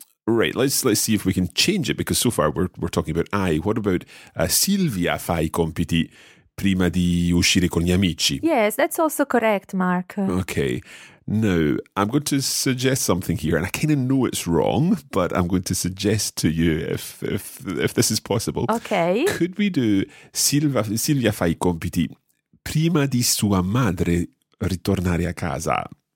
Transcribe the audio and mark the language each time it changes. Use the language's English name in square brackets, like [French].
[English] Right, let's see if we can change it, because so far we're talking about I. What about [Italian] Silvia fa I compiti prima di uscire con gli amici? [English] Yes, that's also correct, Mark. Okay. Now, I'm going to suggest something here, and I kind of know it's wrong, but I'm going to suggest to you if this is possible. Okay. Could we do [Italian] Silvia fa I compiti prima di sua madre ritornare a casa?